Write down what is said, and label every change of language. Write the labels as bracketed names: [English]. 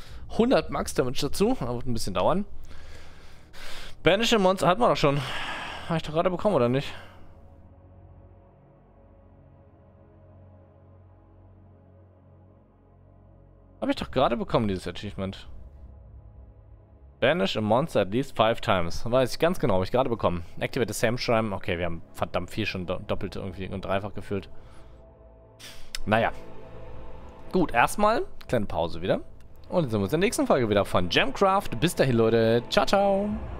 [German] 100 Max Damage dazu. Das wird ein bisschen dauern. Banish a Monster hat man doch schon. Habe ich doch gerade bekommen, oder nicht? Habe ich doch gerade bekommen, dieses Achievement. [English] Banish a Monster at least 5 times. [German] Weiß ich ganz genau, habe ich gerade bekommen. [English] Activate the same Shrine. [German] Okay, wir haben verdammt viel schon doppelt irgendwie und dreifach gefüllt. Naja. Gut, erstmal kleine Pause wieder. Und dann sehen wir uns in der nächsten Folge wieder von Gemcraft. Bis dahin, Leute. Ciao, ciao.